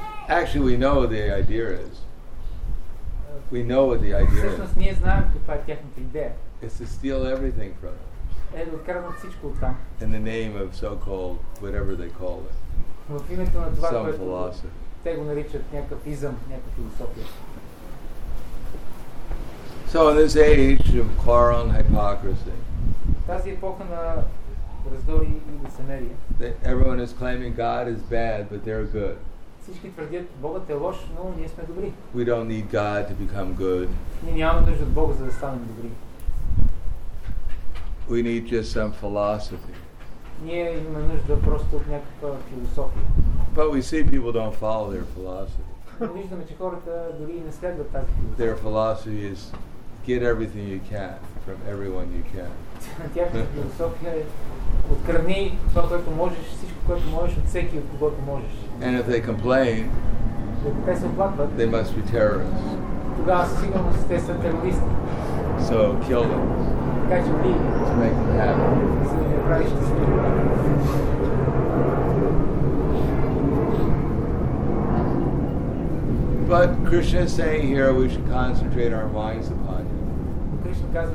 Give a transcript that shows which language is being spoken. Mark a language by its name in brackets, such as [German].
[English] Actually, we know what the idea is. We know what the idea is. [Bulgarian] Всъщност, ние знаем каква е тяхната идея. [English] It's to steal everything from them. [Bulgarian] Е да откраднат всичко от там. [English] In the name of so-called, whatever they call it. [Bulgarian] В името на това, [English] some philosophy. [Bulgarian] Те го наричат някакъв изъм, някаква философия. [English] So in this age of quarrel hypocrisy. [Bulgarian] Тази епоха на раздори и лицемерие. [English] Everyone is claiming God is bad, but they're good. [Bulgarian] Всички твърдят, Богът е лош, но ние сме добри. [English] We don't need God to become good. [Bulgarian] Ние нямаме нужда от Бога, за да станем добри. [English] We need just some philosophy. [Bulgarian] Ние имаме нужда просто от някаква философия. [English] But we see people don't follow their philosophy. [Bulgarian] Виждаме, че хората дори не следват тази философия. [English] Their philosophy is get everything you can from everyone you can. [Bulgarian] Тяхната философия е открадни това, което можеш, всичко, което можеш от всеки, от когото можеш. [English] And if they complain, [Bulgarian] те се оплакват, [English] they must be terrorists. [Bulgarian] Тогава сигурно те са терористи. [English] So kill them. To make them happen. But Krishna is saying here we should concentrate our minds upon him.